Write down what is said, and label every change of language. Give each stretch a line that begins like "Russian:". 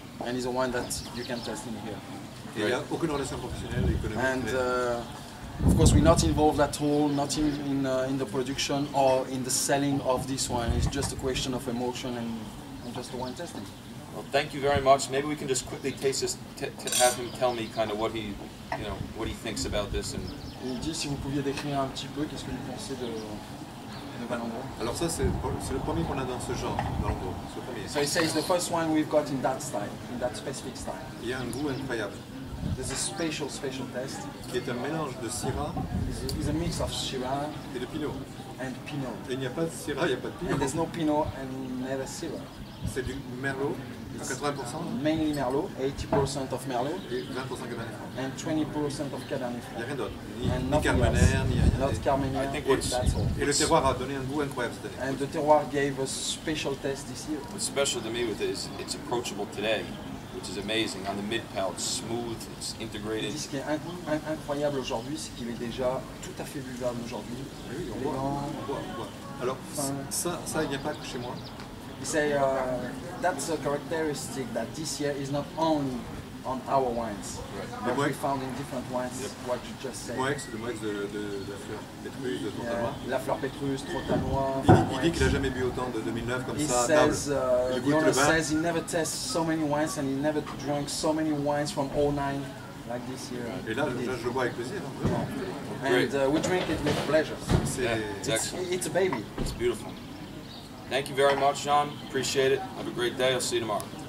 English: And he's a wine that you can test in here. And of course, we're not involved at all, not in the production or in the selling of this wine. It's just a question of emotion and just the wine testing. Well, thank you very much. Maybe we can just quickly taste this, have him tell me kind of what he, you know, what he thinks about this. And
French: il dit si vous pouviez décrire un petit peu qu'est-ce que vous pensez de Valandraud. Alors ça c'est le premier qu'on a dans ce genre, Valandraud.
English: So he says the first wine we've got in that style, in that specific style.
French: Il y a un goût incroyable.
English: There's a special test.
French: Qui est un mélange de Syrah.
English: It's a mix of Syrah.
French: Et de Pinot.
English: And Pinot.
French: Et il n'y a pas de Syrah, il n'y a pas de Pinot.
English: And there's no Pinot and never Syrah.
French: C'est du Merlot.
English: It's 80%? Mainly Merlot, 80% of Merlot.
French: Et 20% Cabernet Franc.
English: And 20% of Cabernet Franc.
French: Il n'y a rien d'autre. Ni Carmenère, ni rien.
English: Not Carmenère,
French: et le terroir a donné un goût incroyable cette année.
English: And the terroir gave a special test this year. What's special to me with it is it's approachable today, which is amazing. On the mid palate, smooth, it's integrated.
French: Ce qui est incroyable aujourd'hui, c'est qu'il est déjà tout à fait buvable aujourd'hui. Oui, on voit. Alors, ça, il n'y a pas que chez moi.
English: He said that's a characteristic that this year is not only on our wines. Right. But we found in different wines, yep. What you just said.
French: Moëx, le Moëx de la fleur pétruse, de Trotanois. Yeah. La fleur pétruse, Trotanois. Il dit qu'il n'a jamais bu autant de 2009 comme
English: he
French: ça.
English: Says, the owner says he never tests so many wines and he never drank so many wines from 2009 like this year. Et là, je le bois avec plaisir. And we drink it with pleasure. It's a baby. It's beautiful. Thank you very much, Jean. Appreciate it. Have a great day. I'll see you tomorrow.